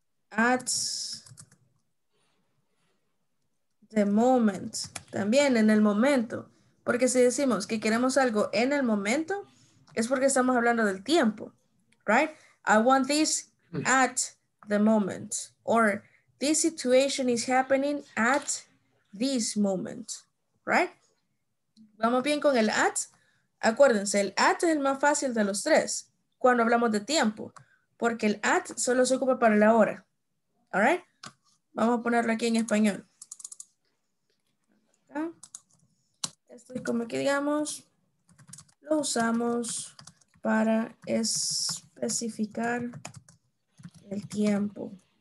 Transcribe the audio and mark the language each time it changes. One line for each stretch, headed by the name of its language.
English: At the moment,
Spanish: también en el momento. Porque si decimos que queremos algo en el momento, es porque estamos hablando del tiempo, right?
English: I want this at the moment. Or this situation is happening at this moment, right?
Spanish: ¿Vamos bien con el at? Acuérdense, el at es el más fácil de los tres cuando hablamos de tiempo, porque el at solo se ocupa para la hora, all right? Vamos a ponerlo aquí en español. Esto es como que digamos, lo usamos para especificar el tiempo.